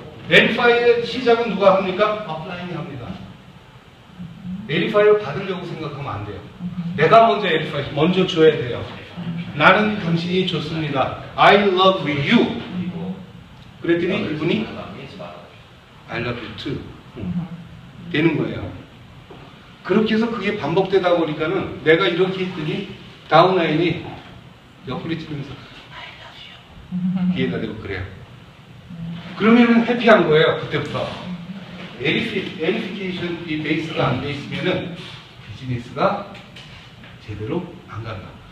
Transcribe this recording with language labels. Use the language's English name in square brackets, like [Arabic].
[Korean] 에리파이의 시작은 누가 합니까? 업라인이 합니다. 에리파이를 받으려고 생각하면 안 돼요. 내가 먼저 에리파이 먼저 줘야 돼요. 나는 당신이 좋습니다. [English] I love you. [Korean] 그랬더니 이분이 [English] I love you too. [Korean] 되는 거예요. 그렇게 해서 그게 반복되다 보니까는 내가 이렇게 했더니 다운라인이 옆구리 찌르면서 [English] I love you [Korean] 기회가 되고 그래요. 그러면은 해피한 거예요. 그때부터 edification이 베이스가 안 돼 있으면은 비즈니스가 제대로 안 간다.